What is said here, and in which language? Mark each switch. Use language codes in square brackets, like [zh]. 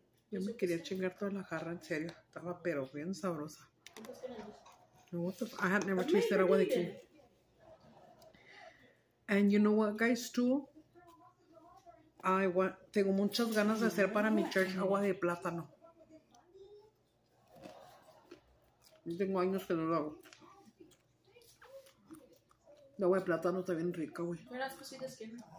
[es] Yo me quería chingar toda la jarra, en serio. Estaba pero bien sabrosa. [en] What the I had never tasted agua de kiwi. And you know what, guys, too? [es] Tengo muchas ganas de hacer para mi church agua de plátano. Yo tengo años que no lo hago. No, güey, plátano está bien rico, güey. [en] You're not supposed to eat this kiwi.